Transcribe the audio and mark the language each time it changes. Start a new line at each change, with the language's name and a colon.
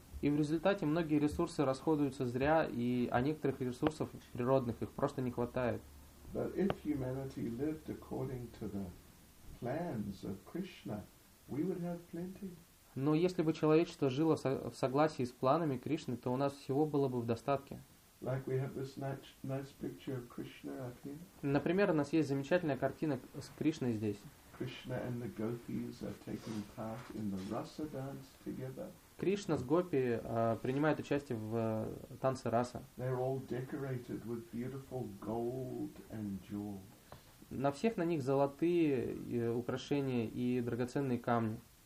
Russian: И в результате многие ресурсы расходуются зря, и а некоторых ресурсов природных их просто не хватает.
English: But if humanity lived according to the plans of Krishna, we would have plenty.
Russian: Но если бы человечество жило в согласии с планами Кришны, то у нас всего было бы в достатке.
English: Like we have this nice picture of Krishna up here.
Russian: Например, у нас есть замечательная картина с Кришной здесь.
English: Krishna and the gopis are taking part in the rasa dance together.
Russian: Кришна с гопи принимают участие в танце раса.
English: They're all decorated with beautiful gold and jewels.
Russian: На всех на них золотые украшения и драгоценные камни.